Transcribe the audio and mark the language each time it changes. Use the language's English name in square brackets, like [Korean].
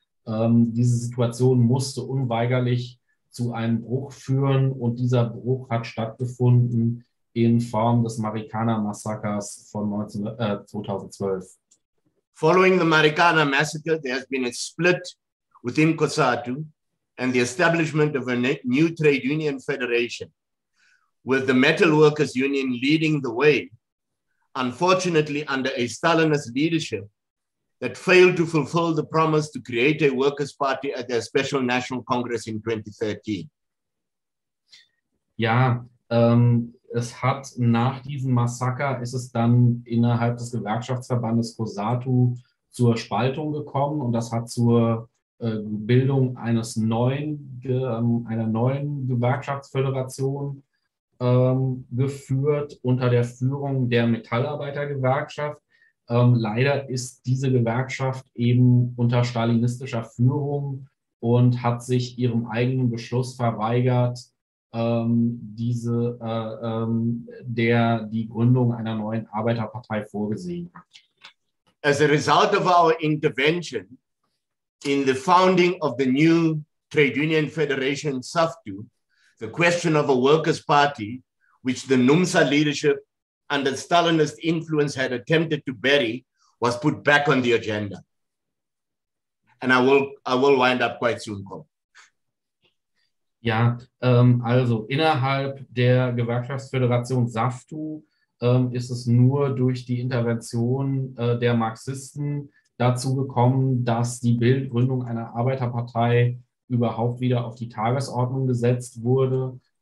[German] Diese Situation musste unweigerlich zu einem Bruch führen, und dieser Bruch hat stattgefunden in Form des Marikana-Massakers von 2012. [English] Following the Marikana massacre, there has been a split within COSATU and the establishment of a new trade union federation, with the Metal Workers Union leading the way, unfortunately under a Stalinist leadership that failed to fulfill the promise to create a workers' party at their special national congress in 2013. [German] Ja, es hat nach diesem Massaker, ist es dann innerhalb des Gewerkschaftsverbandes COSATU zur Spaltung gekommen, und das hat zur Bildung eines einer neuen Gewerkschaftsföderation geführt unter der Führung der Metallarbeitergewerkschaft. Leider ist diese Gewerkschaft eben unter stalinistischer Führung und hat sich ihrem eigenen Beschluss verweigert, die Gründung einer neuen Arbeiterpartei vorgesehen hat. [English] As a result of our intervention in the founding of the new trade union federation SAFTU, the question of a workers' party, which the NUMSA leadership and the Stalinist influence had attempted to bury, was put back on the agenda. And I will wind up quite soon, Cole. [German] Ja, innerhalb der Gewerkschaftsföderation SAFTU ist es nur durch die Intervention der Marxisten dazu gekommen, dass die Bildgründung einer Arbeiterpartei überhaupt wieder auf die Tagesordnung gesetzt wurde.